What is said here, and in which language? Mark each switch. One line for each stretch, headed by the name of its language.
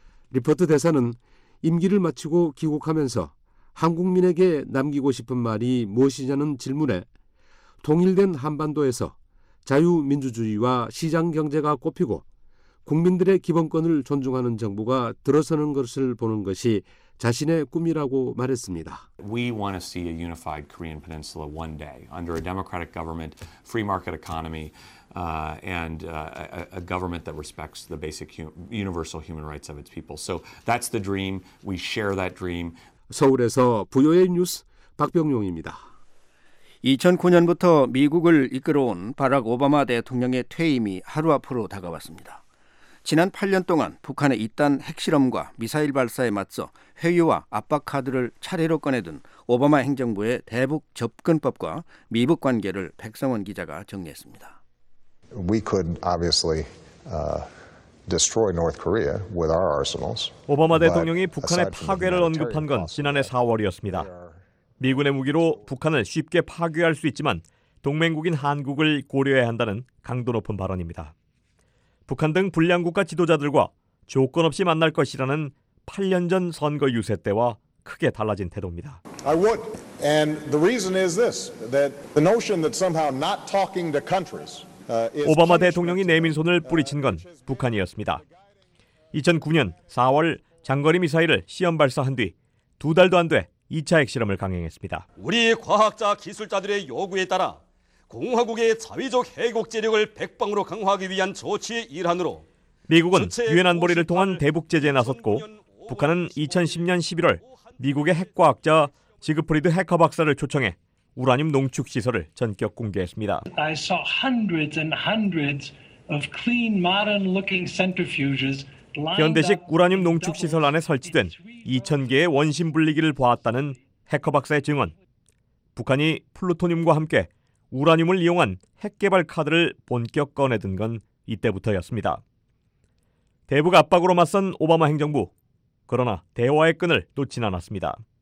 Korean: 리퍼트 대사는 임기를 마치고 귀국하면서 한국민에게 남기고 싶은 말이 무엇이냐는 질문에 통일된 한반도에서 자유민주주의와 시장경제가 꽃피고 국민들의 기본권을 존중하는 정부가 들어서는 것을 보는 것이 자신의 꿈이라고 말했습니다.
English: We want to see a unified Korean peninsula one day under a democratic government, free market economy, and a government that respects the basic universal human rights of its people. So that's the dream. We share that dream.
Korean: 서울에서 VOA 뉴스 박병용입니다. 2009년부터 미국을 이끌어온 바락 오바마 대통령의 퇴임이 하루 앞으로 다가왔습니다. 지난 8년 동안 북한의 잇단 핵실험과 미사일 발사에 맞서 회유와 압박 카드를 차례로 꺼내든 오바마 행정부의 대북 접근법과 미북 관계를 백성원 기자가 정리했습니다.
English: We could obviously destroy North Korea with our arsenals.
Korean: 오바마 대통령이 북한의 파괴를 언급한 건 지난해 4월이었습니다. 미군의 무기로 북한을 쉽게 파괴할 수 있지만 동맹국인 한국을 고려해야 한다는 강도 높은 발언입니다. 북한 등 불량 국가 지도자들과 조건 없이 만날 것이라는 8년 전 선거 유세 때와 크게 달라진 태도입니다.
English: I would, and the reason is this: that the notion that somehow not talking to countries.
Korean: 오바마 대통령이 내민손을 뿌리친 건 북한이었습니다. 2009년 4월 장거리 미사일을 시험 발사한 뒤 두 달도 안 돼 2차 핵실험을 강행했습니다. 우리 과학자 기술자들의 요구에 따라 공화국의 자위적 해국지력을 백방으로 강화하기 위한 조치의 일환으로 미국은 유엔 안보리를 통한 대북 제재에 나섰고 북한은 2010년 11월 미국의 핵과학자 지그프리드 해커 박사를 초청해 우라늄 농축 시설을 전격 공개했습니다.
English: I saw hundreds and hundreds of clean, modern-looking centrifuges.
Korean: 현대식 우라늄 농축 시설 안에 설치된 2천 개의 원심 분리기를 보았다는 해커 박사의 증언. 북한이 플루토늄과 함께 우라늄을 이용한 핵 개발 카드를 본격 꺼내든 건 이때부터였습니다. 대북 압박으로 맞선 오바마 행정부. 그러나 대화의 끈을 놓진 않았습니다.